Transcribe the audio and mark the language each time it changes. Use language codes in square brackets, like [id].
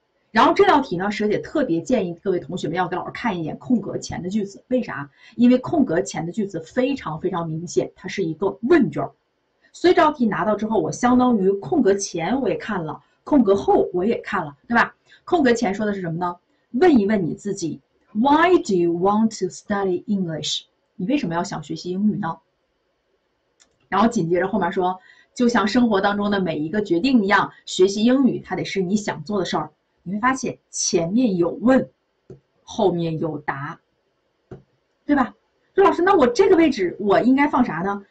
[zh] 然后这道题呢，蛇姐特别建议各位同学们要给老师看一眼空格前的句子，为啥？因为空格前的句子非常非常明显，它是一个问卷。所以这道题拿到之后，我相当于空格前我也看了，空格后我也看了，对吧？空格前说的是什么呢？问一问你自己。 [en] Why do you want to study English？ [zh] 你为什么要想学习英语呢？然后紧接着后面说，就像生活当中的每一个决定一样，学习英语它得是你想做的事儿。你会发现前面有问，后面有答，对吧？说老师，那我这个位置我应该放啥呢？